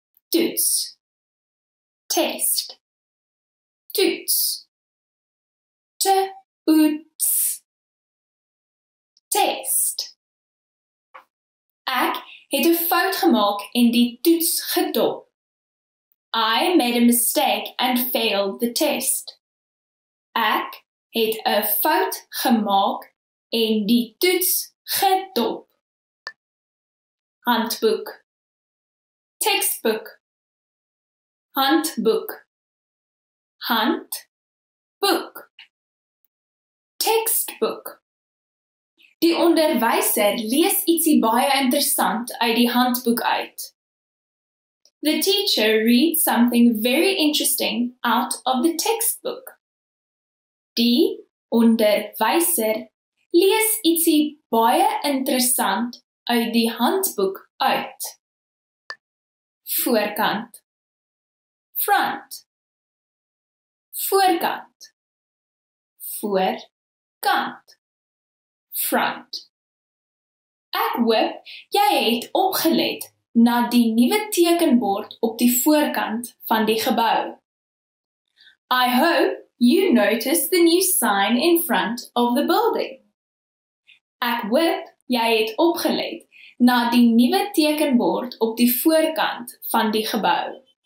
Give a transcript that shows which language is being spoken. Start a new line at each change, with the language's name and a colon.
Afrikaans: Toets.
English: Test.
Afrikaans: Toets. Toets.
English: Test.
Afrikaans: Ek het 'n fout gemaak en die toets gedop.
English: I made a mistake and failed the test.
Afrikaans: Ek het 'n fout gemaak en die toets gedop. Handboek.
English: Textbook.
Afrikaans: Handboek. Handboek.
English: Textbook.
Afrikaans: Die onderwyser lees ietsie baie interessant uit die handboek uit.
English: The teacher reads something very interesting out of the textbook.
Afrikaans: Die onderwyser lees ietsie baie interessant uit die handboek uit. Voorkant.
English: Front.
Afrikaans: Voorkant. Voorkant.
English: Front.
Afrikaans: Ek hoop jy het opgelet na die nuwe tekenbord op die voorkant van die gebou.
English: I hope you noticed the new sign in front of the building.
Afrikaans: Ek hoop jy het opgelet na die nuwe tekenbord op die voorkant van die gebou.